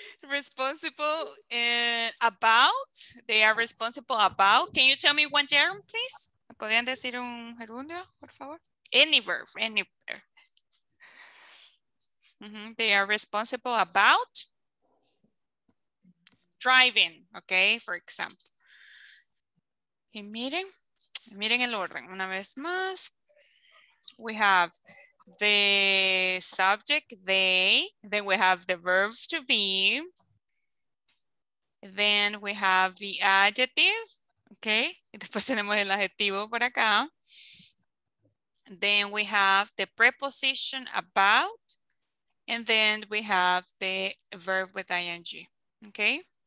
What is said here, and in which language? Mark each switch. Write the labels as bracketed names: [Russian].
[English] Responsible and about. They are responsible about. Can you tell me one gerund, please? [Spanish] ¿Me podrían decir un gerundio, por favor? [English] Any verb, any verb. Mm-hmm. They are responsible about driving, okay, for example. [Spanish] Y miren, miren el orden una vez más. [English] We have the subject, they, then we have the verb to be, then we have the adjective, okay, [Spanish] y después tenemos el adjetivo por acá, [English] then we have the preposition about, and then we have the verb with ing, okay.